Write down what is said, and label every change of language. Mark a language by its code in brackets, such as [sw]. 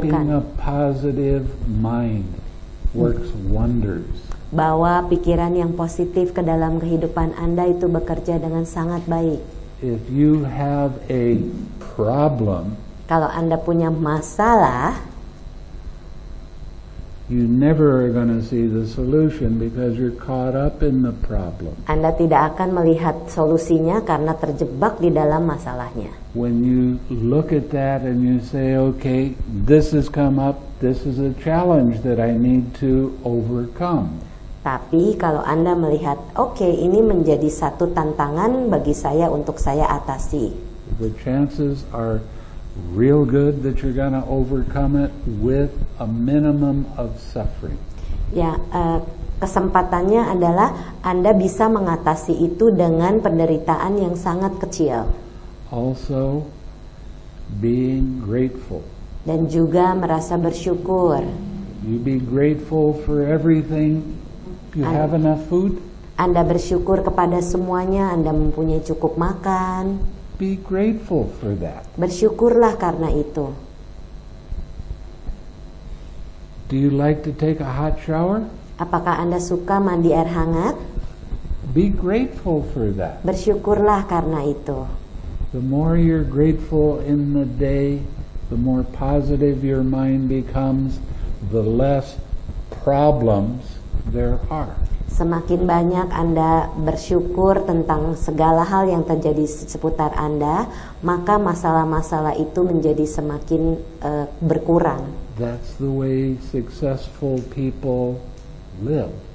[en] Keeping a positive mind works wonders. [id] Bawa pikiran yang positif ke dalam kehidupan Anda itu bekerja dengan sangat baik. [en] If you have a problem, [id] kalau Anda punya masalah, [en] you never are going to see the solution because you're caught up in the problem. [id] Anda tidak akan melihat solusinya karena terjebak di dalam masalahnya. [en] When you look at that and you say, okay, this has come up, this is a challenge that I need to overcome. [id] Tapi kalau Anda melihat, okay, ini menjadi satu tantangan bagi saya untuk saya atasi. [en] The chances are real good that you're going to overcome it with a minimum of suffering. [id] Ya, kesempatannya adalah Anda bisa mengatasi itu dengan penderitaan yang sangat kecil. [en] Also, being grateful. [id] Dan juga merasa bersyukur. [en] You be grateful for everything. You have enough food. [id] Anda bersyukur kepada semuanya, Anda mempunyai cukup makan. [en] Be grateful for that. [id] Bersyukurlah karena itu. [en] Do you like to take a hot shower? [id] Apakah Anda suka mandi air hangat? [en] Be grateful for that. [id] Bersyukurlah karena itu. [en] The more you're grateful in the day, the more positive your mind becomes, the less problems there are. [id] Semakin banyak Anda bersyukur tentang segala hal yang terjadi seputar Anda, maka masalah-masalah itu menjadi semakin berkurang. [en] That's the way successful people live.